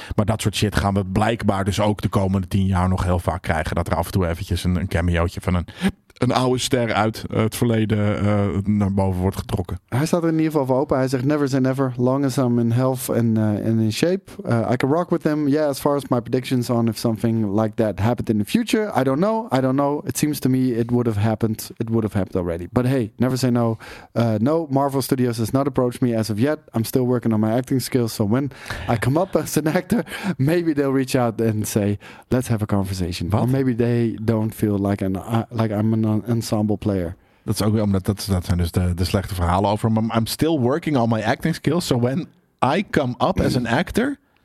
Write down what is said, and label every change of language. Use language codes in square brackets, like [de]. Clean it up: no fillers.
[nl] Maar dat soort shit gaan we blijkbaar dus ook de komende 10 jaar nog heel vaak krijgen. Dat er af en toe eventjes een cameootje van een oude ster uit het verleden naar boven wordt getrokken. Hij staat er in ieder geval voor open. Hij zegt, [en] never say never, long as I'm in health and in shape. I can rock with him. Yeah, as far as my predictions on if something like that happened in the future, I don't know. I don't know. It seems to me it would have happened. It would have happened already. But hey, never say no. No, Marvel Studios has not approached me as of yet. I'm still working on my acting skills. So when I come up as an actor, maybe they'll reach out and say, let's have a conversation. What? Or maybe they don't feel like I'm een ensemble player. [nl] Dat is ook weer omdat dat zijn dus de slechte verhalen over. [en] I'm still working on my acting skills. So when I come up as an actor.